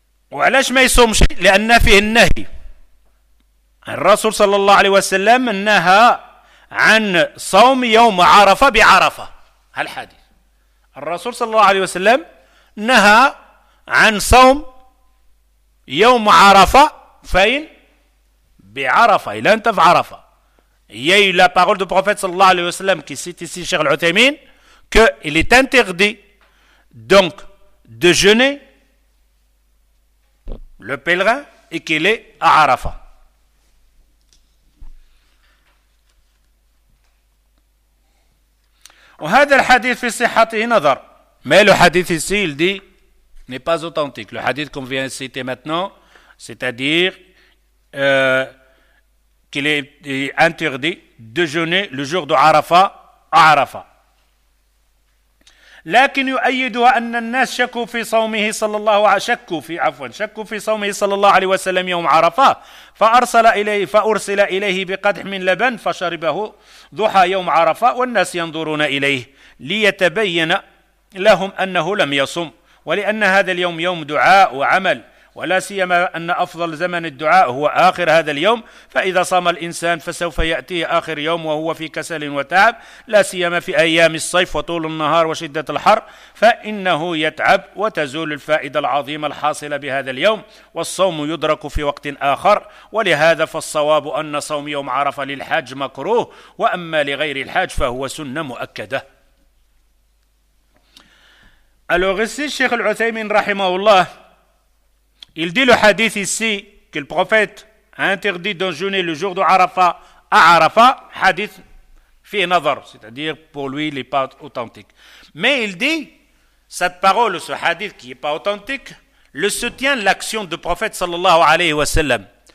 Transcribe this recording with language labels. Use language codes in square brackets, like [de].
[ar] وعلاش ما يصومش؟ لأن فيه النهي. الرسول صلى الله عليه وسلم نهى عن صوم يوم عرفة بعرفة. هالحديث الرسول صلى الله عليه وسلم نهى عن صوم يوم عرفة فين بعرفة إلى أنت في عرفة. [fr] Il y a eu la parole du prophète sallallahu alayhi wa sallam qui cite ici Cheikh Al-Uthaymeen qu'il est interdit donc de jeûner le pèlerin et qu'il est à Arafat. [ar] وهذا الحديث في صحته نظر. [fr] Mais le hadith ici, il dit, n'est pas authentique. Le hadith qu'on vient citer maintenant, c'est-à-dire qu'il est interdit de jeûner le jour de Arafah à Arafah. [ar] لكن يؤيدها أن الناس شكوا في صومه صلى الله عليه وسلم شكوا في صومه صلى الله عليه وسلم يوم عرفة فأرسل إليه بقدح من لبن فشربه ضحى يوم عرفة والناس ينظرون إليه ليتبين لهم أنه لم يصم ولأن هذا اليوم يوم دعاء وعمل ولا سيما أن أفضل زمن الدعاء هو آخر هذا اليوم فإذا صام الإنسان فسوف يأتي آخر يوم وهو في كسل وتعب لا سيما في أيام الصيف وطول النهار وشدة الحر فإنه يتعب وتزول الفائدة العظيمة الحاصلة بهذا اليوم والصوم يدرك في وقت آخر ولهذا فالصواب أن صوم يوم عرفة للحاج مكروه وأما لغير الحاج فهو سنة مؤكدة. [fr] Alors ici Cheikh Al-Uthaymeen رحمه الله, il dit le hadith ici que le prophète a interdit de jeûner le jour de Arafat à Arafat, [ar] hadith fi nazar, [fr] c'est-à-dire pour lui il n'est pas authentique. Mais il dit, cette parole, ce hadith qui n'est pas authentique, le soutient l'action du prophète sallallahu alayhi wa sallam.